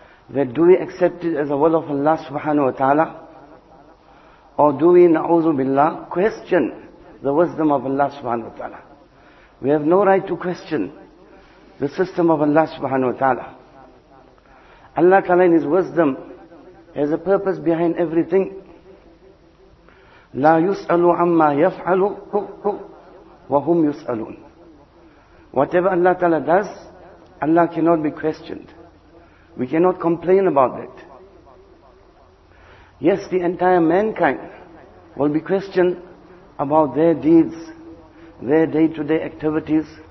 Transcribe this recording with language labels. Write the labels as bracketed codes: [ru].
[en] That do we accept it as the will of Allah Subhanahu Wa Ta'ala, or do we, na'udhu billah, question the wisdom of Allah Subhanahu Wa Ta'ala? We have no right to question the system of Allah Subhanahu Wa Ta'ala. Allah Ta'ala in His wisdom has a purpose behind everything. [ar] لا يسألوا عما يفعلوا وهم يسألون. [en] Whatever Allah Ta'ala does, Allah cannot be questioned. We cannot complain about that. Yes, the entire mankind will be questioned about their deeds, their day-to-day activities.